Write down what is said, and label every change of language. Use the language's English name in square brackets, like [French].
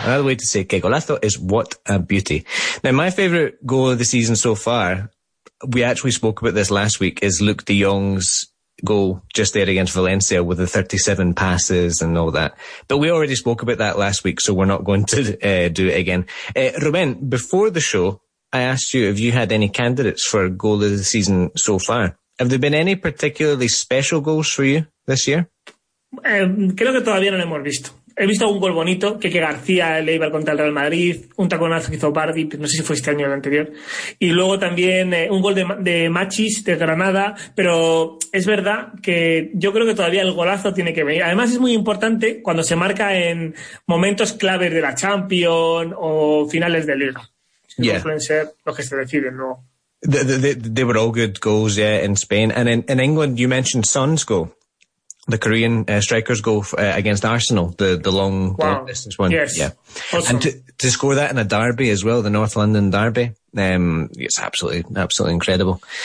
[English] Another way to say Keiko Lazo is what a beauty. Now, my favourite goal of the season so far, we actually spoke about this last week, is Luke de Jong's goal just there against Valencia with the 37 passes and all that. But we already spoke about that last week, so we're not going to do it again. Ruben, before the show, I asked you if you had any candidates for goal of the season so far. Have there been any particularly special goals for you this year? [Spanish] Creo que todavía no lo hemos visto. He visto un gol bonito, Keke García, el Eibar contra el Real Madrid, un taconazo que hizo Bardi, no sé si fue este año o el anterior. Y luego también un gol de Machis, de Granada, pero es verdad que yo creo que todavía el golazo tiene que venir. Además es muy importante cuando se marca en momentos claves de la Champions o finales de Liga. [English] Yeah. [Spanish] Pueden ser los que se deciden, ¿no? [English] They were all good goals, yeah, in Spain. And in England, you mentioned Son's goal. The Korean strikers go against Arsenal, the long distance one. Yes. Yeah. Awesome. And to score that in a derby as well, the North London derby, it's absolutely incredible.